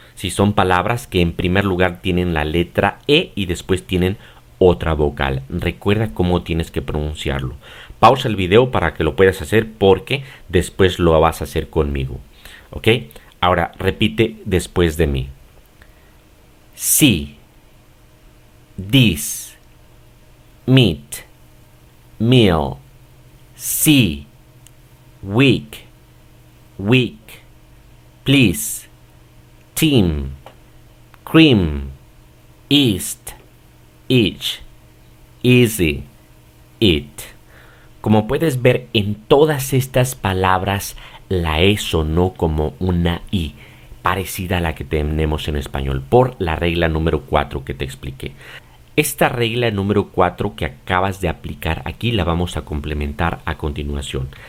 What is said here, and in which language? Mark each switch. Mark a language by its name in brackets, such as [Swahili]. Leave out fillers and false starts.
[Spanish] Si son palabras que en primer lugar tienen la letra E y después tienen otra vocal, recuerda cómo tienes que pronunciarlo. Pausa el video para que lo puedas hacer, porque después lo vas a hacer conmigo. ¿Ok? Ahora repite después de mí. Sí. [English] This. Meet, meal, see, week, week, please, team, cream, east, each, easy, it. [Spanish] Como puedes ver, en todas estas palabras la E sonó como una I, parecida a la que tenemos en español, por la regla número 4 que te expliqué. Esta regla número 4 que acabas de aplicar aquí la vamos a complementar a continuación.